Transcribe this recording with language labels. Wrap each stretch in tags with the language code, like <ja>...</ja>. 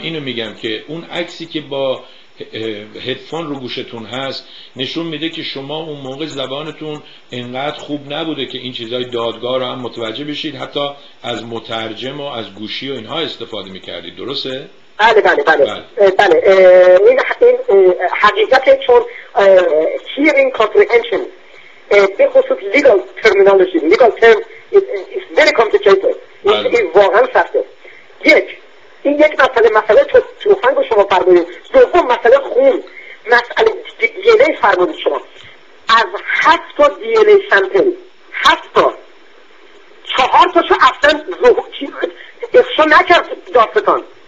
<fa>اینو میگم که اون عکسی که با هدفون رو گوشتون هست نشون میده که شما اون موقع زبانتون انقدر خوب نبوده که این چیزای دادگاه رو هم متوجه بشید، حتی از مترجم و از گوشی و اینها استفاده میکردید، درسته؟ بله. این حقیقت، چون</fa> <en>hearing comprehension</en> <fa>به خصوص</fa> <en>legal terminology legal term is very complicated.</en> <fa>این واقعا سخته. یک، این یک مسئله توفنگ رو شما فرمودید. دوم، مسئله خون، مسئله DNA فرمودید شما. از 7 تا DNA sample 7 تا 4 تا شو اصلا افشا نکرد دادستان.</fa>